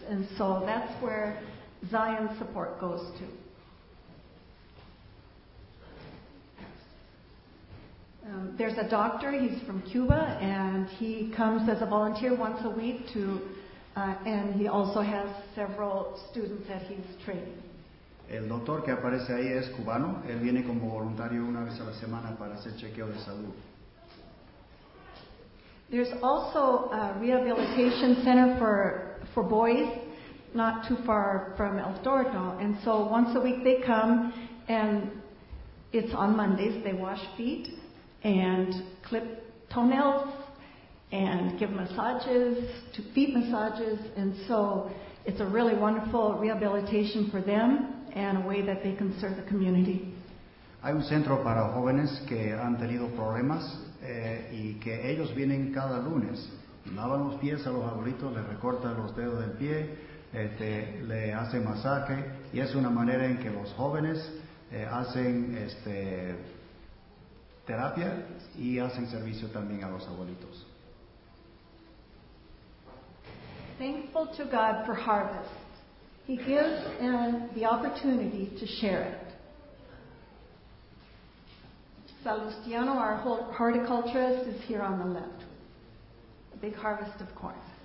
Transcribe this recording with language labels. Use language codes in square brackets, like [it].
[en] And so that's where Zion support goes to. There's a doctor, he's from Cuba, and he comes as a volunteer once a week to, and he also has several students that he's training. [es] El doctor que aparece ahí es cubano, él viene como voluntario una vez a la semana para hacer chequeo de salud. [en] There's also a rehabilitation center for boys, not too far from El Torno, and so once a week they come, and it's on Mondays, they wash feet and clip toenails and give massages, to feet massages, and so it's a really wonderful rehabilitation for them and a way that they can serve the community. [es] Hay un centro para jóvenes que han tenido problemas y que ellos vienen cada lunes, lavan los pies a los abuelitos, les recortan los dedos del pie, le hacen masaje, y es una manera en que los jóvenes hacen terapia y hacen servicio también a los abuelitos. [en] Thankful to God for harvest. He gives and the opportunity to share it. Salustiano, our horticulturist, is here on the left. A big harvest of corn.